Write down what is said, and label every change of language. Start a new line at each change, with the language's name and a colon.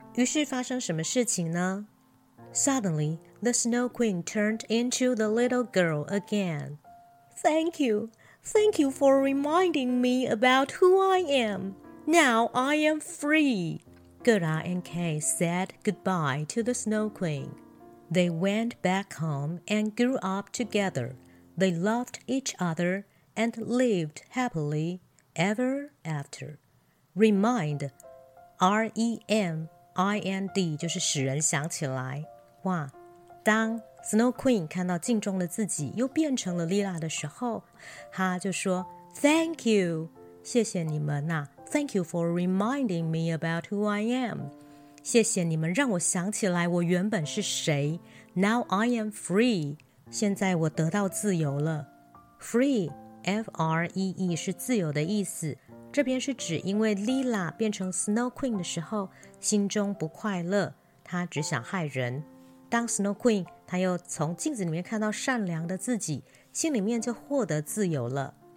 Chinese: 于是发生什么事情呢？
English: Suddenly, The Snow Queen turned into the little girl again. Thank you. Thank you for reminding me about who I am. Now I am free. Gerda and Kay said goodbye to the Snow Queen. They went back home and grew up together. They loved each other and lived happily ever after.
Chinese: Remind, R-E-M-I-N-D, 就是使人想起来。哇，当Snow Queen 看到镜中的自己又变成了 Leela 的时候，她就说
English: Thank you,
Chinese: 谢谢你们啊，
English: Thank you for reminding me about who I am,
Chinese: 谢谢你们让我想起来我原本是谁。
English: Now I am free,
Chinese: 现在我得到自由了。 Free, F-R-E-E 是自由的意思，这边是指因为 Leela 变成 Snow Queen 的时候心中不快乐，她只想害人。当 Snow Queen 她又从镜子里面看到善良的自己，心里面就获得自由了。